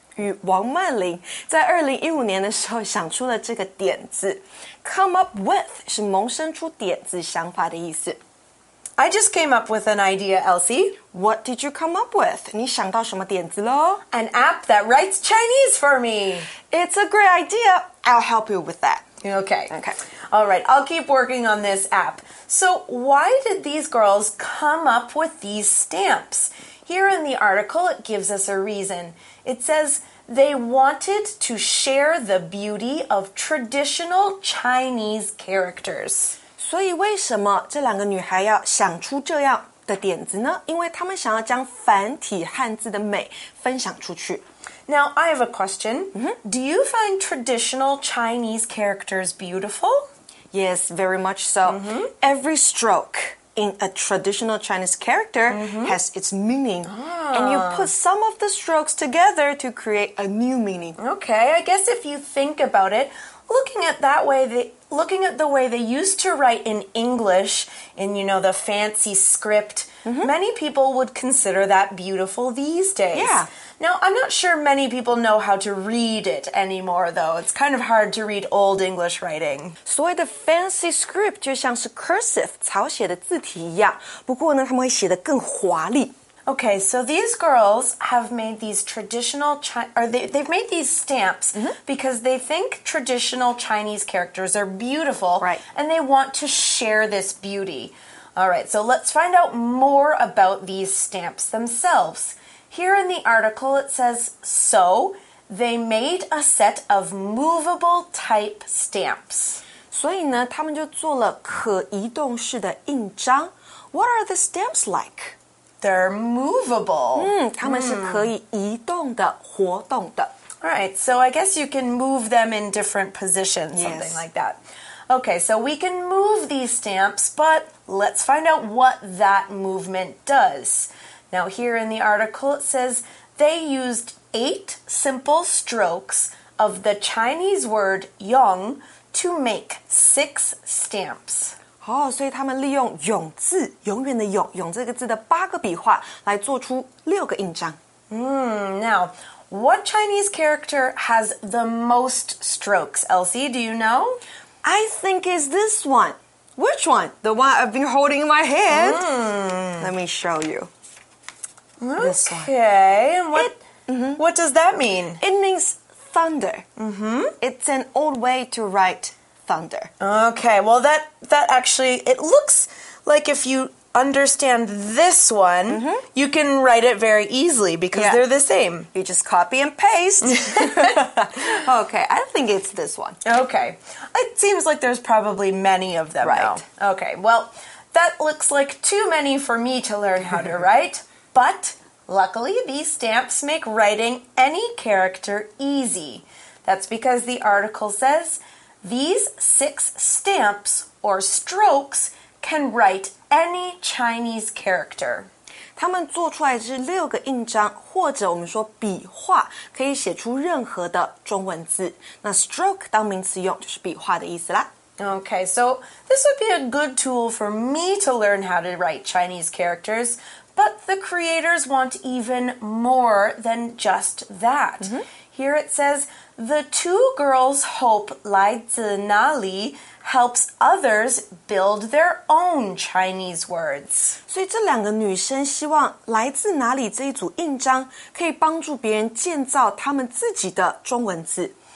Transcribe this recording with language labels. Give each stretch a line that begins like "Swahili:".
Chinese: 与王曼琳在2015年的时候想出了这个点子。
English: Come up with
Chinese: 是萌生出点子、想法的意思。
English: I just came up with an idea, Elsie. What did you come up with?
Chinese: 你想到什么点子咯?
English: An app that writes Chinese for me. It's a great idea. I'll help you with that. Okay. Okay. All right, I'll keep working on this app. So why did these girls come up with these stamps? Here in the article, it gives us a reason. It says, they wanted to share the beauty of traditional Chinese characters.
Chinese: 所以为什么这两个女孩要想出这样的点子呢？因为她们想要将繁体汉字的美分享出去。
English: Now, I have a question. Do you find traditional Chinese characters beautiful? Yes, very much so. Every stroke... in a traditional Chinese character has its meaning. And you put some of the strokes together to create a new meaning. Okay, I guess if you think about it, looking at the way they used to write in English, in, you know, the fancy script, many people would consider that beautiful these days. Yeah. Now, I'm not sure many people know how to read it anymore, though. It's kind of hard to read old English writing.
Chinese: 所谓的 fancy script 就像是 cursive, 草写的字体一样。不过呢，他们会写得更华丽。
English: Okay, so these girls have made these traditional they've made these stamps because they think traditional Chinese characters are beautiful, right? And they want to share this beauty. All right, so let's find out more about these stamps themselves. Here in the article, it says, so they made a set of movable type stamps.
Chinese: 所以呢，他们就做了可移动式的印章。
English: What are the stamps like? They're movable.
Chinese: 他们是可以移动的，活动的。
English: All right, so I guess you can move them in different positions, something like that. Okay, so we can move these stamps, but let's find out what that movement does. Now, here in the article, it says they used 8 simple strokes of the Chinese word yong to make 6 stamps.
Chinese: 好，所以他们利用永字，永远的永，永这个字的八个笔画来做出六个印章。
English: Now... What Chinese character has the most strokes, Elsie? Do you know? I think it's this one. Which one? The one I've been holding in my hand. Let me show you. Okay. This one. And what does that mean? It means thunder. It's an old way to write thunder. Okay. Well, that actually, it looks like if you... understand this one, you can write it very easily because they're the same. You just copy and paste. Okay, I think it's this one. Okay, it seems like there's probably many of them right now. Okay, well, that looks like too many for me to learn how to write, but luckily these stamps make writing any character easy. That's because the article says these 6 stamps or strokes can writeany Chinese character.
Chinese: 他们做出来是六个印章或者我们说笔画可以写出任何的中文字。那 stroke 当名词用就是笔画的意思啦。
English: Okay, so this would be a good tool for me to learn how to write Chinese characters, but the creators want even more than just that. Here it says, the two girls hope Lai Zinali helps others build their own Chinese words.
Chinese: 所以这两个女生希望来自哪里这一组印章可以帮助别人建造他们自己的中文字。